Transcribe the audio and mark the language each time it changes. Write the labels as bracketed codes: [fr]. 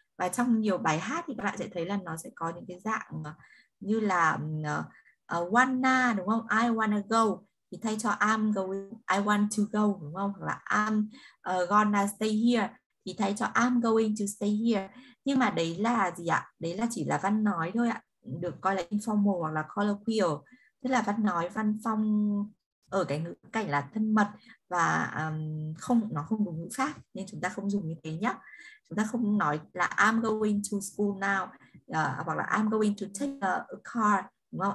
[vi] Và trong nhiều bài hát thì các bạn sẽ thấy là nó sẽ có những cái dạng như là wanna, đúng không? [en] I wanna go. [vi] thì thay cho [en] I'm going, I want to go [vi] đúng không? Hoặc là [en] I'm gonna stay here [vi] thì thay cho [en] I'm going to stay here. [vi] Nhưng mà đấy là gì ạ? Đấy là chỉ là văn nói thôi ạ, được coi là informal hoặc là colloquial, tức là văn nói văn phong ở cái ngữ cảnh là thân mật và không, nó không đúng ngữ pháp nên chúng ta không dùng như thế nhé. Chúng ta không nói là [en] I'm going to school now, [vi] hoặc là [en] I'm going to take a car, [vi] đúng không?